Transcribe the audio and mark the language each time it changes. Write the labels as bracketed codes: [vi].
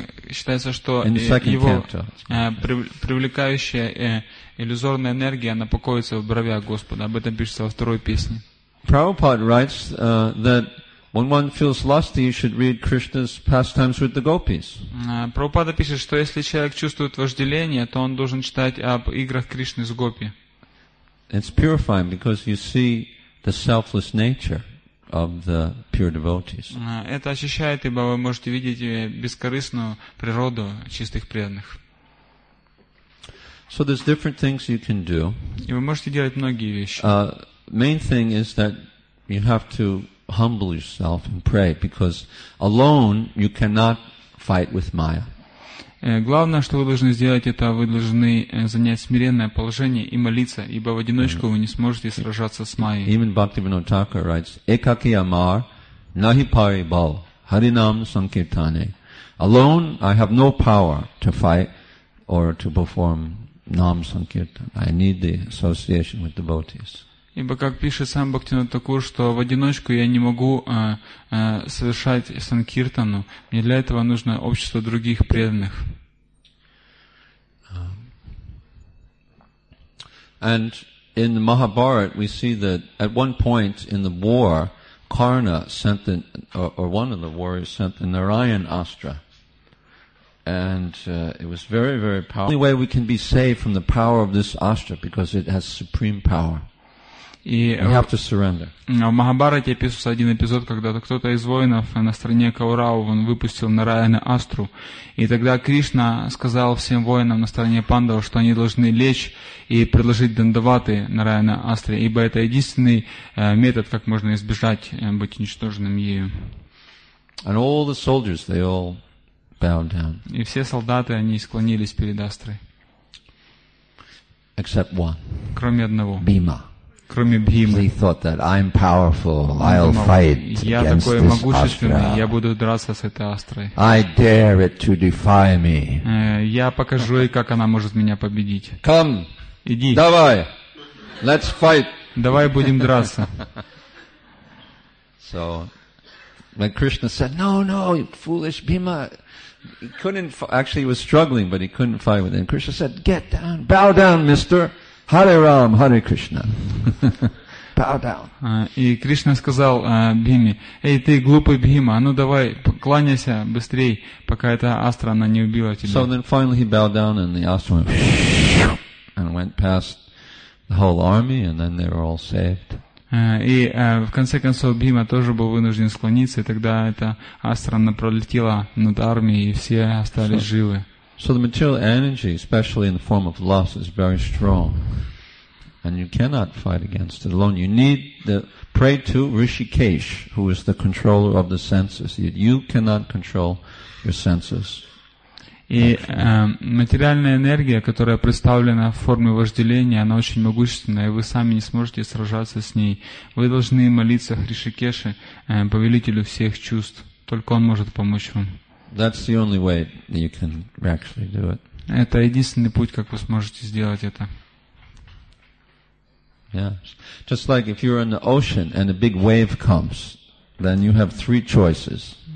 [ru] Считается, что его привлекающая иллюзорная энергия, она покоится в бровях Господа. Об этом пишется во второй песне. [en] Prabhupada writes that when one feels lusty, you should read Krishna's pastimes with the gopis. [ru] Prabhupada пишет, что если человек чувствует вожделение, то он должен читать об играх Кришны с гопи. [en] It's purifying because you see the selfless nature of the pure devotees. [ru] Это очищает, ибо вы можете видеть бескорыстную природу чистых преданных. [en] So there's different things you can do. [ru] И вы можете делать многие вещи. [en] Main thing is that you have to humble yourself and pray, because alone you cannot fight with Maya. [ru] Главное, что вы должны сделать, это вы должны занять смиренное положение и молиться, ибо в одиночку вы не сможете сражаться с Майей. [en] Even Bhaktivinoda Thakur writes, [bn] Ekaki amar nahi pari bal harinam sankirtane. [en] Alone, I have no power to fight or to perform nam sankirtan. I need the association with devotees. [ru] Ибо, как пишет сам Бхактивинода Такур, что в одиночку я не могу совершать санкиртану. Мне для этого нужно общество других преданных. [en] And in the Mahabharata we see that at one point in the war, Karna sent the, or one of the warriors sent the Narayan Astra. And it was very, very powerful. The only way we can be saved from the power of this Astra, because it has supreme power. We have to surrender. [ru] В Махабарате описывается один эпизод, когда кто-то из воинов на стороне Каурау он выпустил Нараяна Астру. И тогда Кришна сказал всем воинам на стороне Пандава, что они должны лечь и предложить дандаваты Нараяна Астре, ибо это единственный метод, как можно избежать быть уничтоженным ею. [en] And all the soldiers, they all bowed down. [ru] И все солдаты, они склонились перед Астрой. [en] Except one. [ru] Кроме одного. Бима. [en] He thought that I'm powerful, I'll fight against this Astra. I dare it to defy me. [ru] Я покажу ей, как она может меня победить. [en] Come. [ru] Иди. Давай. [en] Let's fight. [ru] Давай будем драться. [en] So, when Krishna said, "No, no, you foolish Bhima," he couldn't. Actually, he was struggling, but he couldn't fight with him. Krishna said, "Get down, bow down, Mister." Hare Ram, Hare Krishna. Bow down. [ru] И Кришна сказал Бхиме, «Эй, ты глупый Бхима, а ну давай, кланяйся быстрей, пока эта астра, она не убила тебя». [en] So then finally he bowed down and the astra went and went past the whole army and then they were all saved. [ru] И в конце концов Бхима тоже был вынужден склониться, и тогда эта астра, она пролетела над армией, и все остались живы. [en] So the material energy, especially in the form of lust, is very strong. And you cannot fight against it alone. You need to pray to Rishikesh, who is the controller of the senses. You cannot control your senses. [ru] И материальная энергия, которая представлена в форме вожделения, она очень могущественная, и вы сами не сможете сражаться с ней. Вы должны молиться Ришикеше, повелителю всех чувств. Только он может помочь вам. [en] That's the only way that you can actually do it. [ru] Это единственный путь, как вы сможете сделать это. [en] Yes. Just like if you're in the ocean and a big wave comes, then you have three choices.